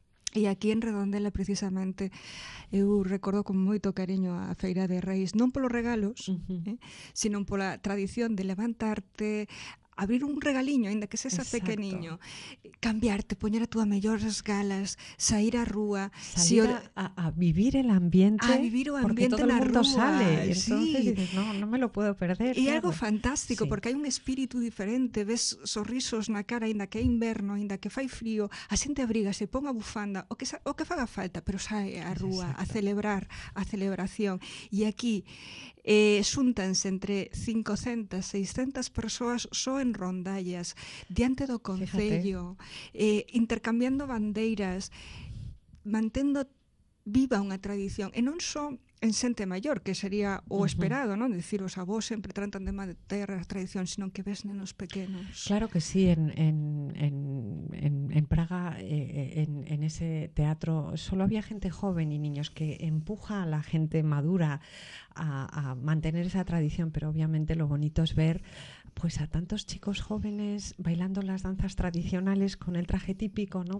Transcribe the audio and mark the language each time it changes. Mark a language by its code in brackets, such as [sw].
[gl] E aquí en Redondela, precisamente, eu recordo con moito cariño a Feira de Reis, non polos regalos, uh-huh. Sino pola tradición de levantarte, abrir un regaliño, ainda que sexa pequeniño, cambiarte, poñer a túa mellor as galas, sair á rúa, [es] a vivir el ambiente. [gl] A vivir o ambiente na rúa. Porque todo o mundo sale, entonces sí. Dices, [es] no me lo puedo perder. [gl] E claro. Algo fantástico, sí. Porque hai un espírito diferente, ves sorrisos na cara, ainda que é inverno, ainda que fai frío, a xente abrígase, pon a bufanda, o que faga falta, pero sai á rúa, exacto, a celebrar a celebración. E aquí xúntanse entre 500, 600 persoas só en rondallas, diante do concello, intercambiando bandeiras, mantendo viva unha tradición, e non só en xente maior, que sería o esperado, non? Decir, os avós sempre tratan de manter a tradición, sino que ves nenos pequenos. [es] Claro que sí, en Praga, en ese teatro, solo había gente joven y niños, que empuja a la gente madura a mantener esa tradición, pero obviamente lo bonito es ver pues a tantos chicos jóvenes bailando las danzas tradicionales con el traje típico, ¿no?